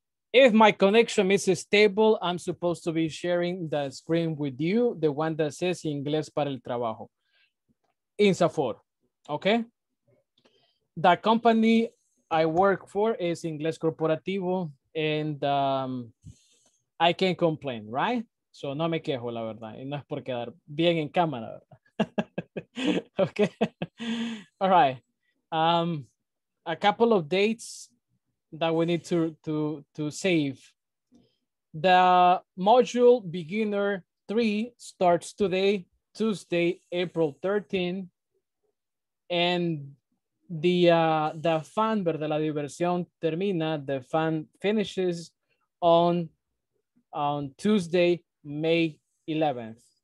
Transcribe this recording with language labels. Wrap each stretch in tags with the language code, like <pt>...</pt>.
<en>If my connection is stable, I'm supposed to be sharing the screen with you, the one that says Inglés para el trabajo. INSAFORP. Okay. The company I work for is Inglés Corporativo, and I can't complain, right?</en> <es>So no me quejo, la verdad. Y no es por quedar bien en cámara, ¿verdad? Okay. All right.</es> <en>a couple of dates that we need to save. The module beginner 3 starts today, Tuesday, April 13. And the fun,</en> <es>¿verdad? La diversión termina,</es> <en>the fun finishes on Tuesday, May 11th.</en>